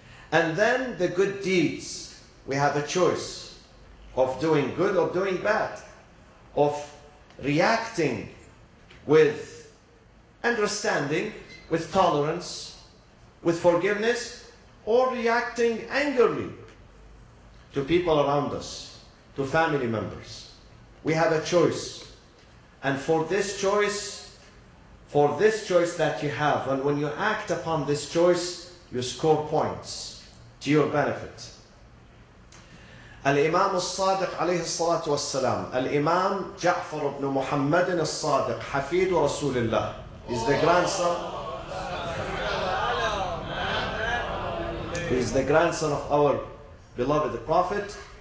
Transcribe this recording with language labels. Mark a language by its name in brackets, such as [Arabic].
[English] And then the good deeds, we have a choice of doing good or doing bad, of reacting with understanding, with tolerance, with forgiveness, or reacting angrily to people around us, to family members. We have a choice. And for this choice that you have, and when you act upon this choice, you score points to your benefit. [Arabic] الإمام الصادق عليه الصلاة والسلام, الإمام جعفر بن محمد الصادق حفيد رسول الله, [English] is the grandson. He is the grandson of our beloved Prophet.